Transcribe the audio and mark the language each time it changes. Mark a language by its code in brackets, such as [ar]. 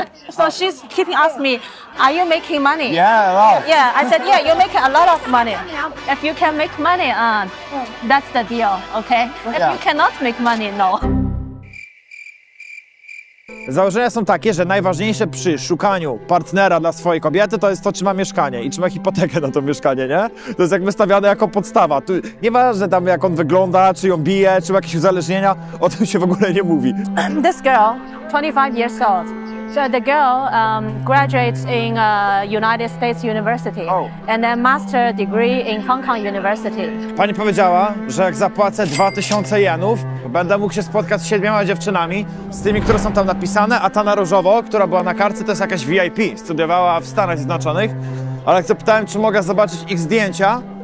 [en] So she's keeping asking me, are you making money? Yeah, a lot. Yeah, I said, yeah, you make a lot of money. If you can make money, that's the deal, okay? If you cannot make money, no. [pl] Założenia są takie, że najważniejsze przy szukaniu partnera dla swojej kobiety to jest to, czy ma mieszkanie i czy ma hipotekę na to mieszkanie, nie? To jest jakby stawiane jako podstawa. Tu nieważne tam, jak on wygląda, czy ją bije, czy ma jakieś uzależnienia, o tym się w ogóle nie mówi. [en] This girl, 25 years old. So the girl graduates in United States University and a master degree in Hong Kong University. [pl] Pani powiedziała, że jak zapłacę 2000 jenów, będę mógł się spotkać z 7 dziewczynami, z tymi, które są tam napisane, a ta na różowo, która była na kartce, to jest jakaś VIP, studiowała w Stanach Zjednoczonych. Ale jak zapytałem, czy mogę zobaczyć ich zdjęcia,